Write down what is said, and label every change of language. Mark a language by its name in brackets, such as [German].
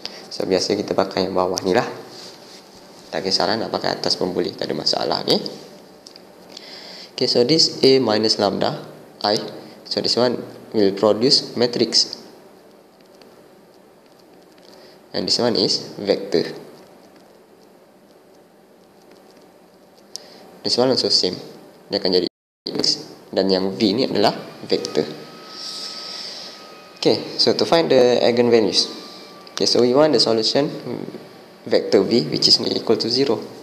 [Malay] So biasa kita pakai yang bawah ni lah. Tak kisahlah nak pakai atas pun boleh, tak ada masalah ni. [English] Okay, so this A minus lambda I. So this one will produce matrix, and this one is vector. This one also same, [Malay] dia akan jadi x, dan yang v ni adalah vector. [English] Okay, so to find the eigenvalues. Okay, so we want the solution vector v which is equal to 0.